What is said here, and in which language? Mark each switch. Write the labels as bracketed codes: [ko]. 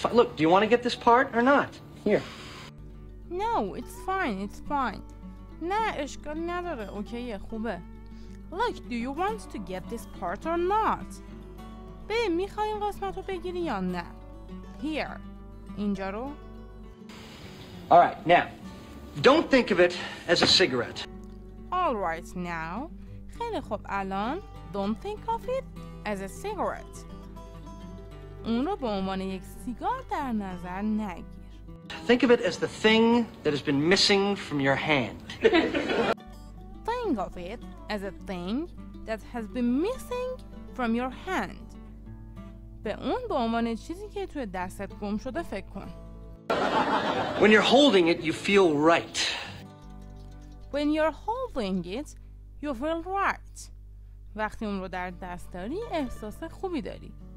[en] Look, do you want to get this part or not? Here. No, it's fine. [fa] نه اشکال نداره. اوکی خوبه. [en] Look, do you want to get this part or not? [fa] ببین میخوای این قسمت رو بگیری یا نه. [en] Here. [fa] اینجا رو. [en] Alright, now. Don't think of it as a cigarette. Alright, now. [fa] خیلی خوب الان. [en] Don't think of it as a cigarette. [fa] اون رو به عنوان یک سیگار در نظر نگیر. [en] Think of it as the thing that has been missing from your hand. Think of it as a thing that has been missing from your hand. [fa] به اون به عنوان چیزی که توی دستت گم شده فکر کن. [en] When you're holding it, you feel right. When you're holding it, you feel right. [fa] وقتی اون رو در دست داری، احساس خوبی داری.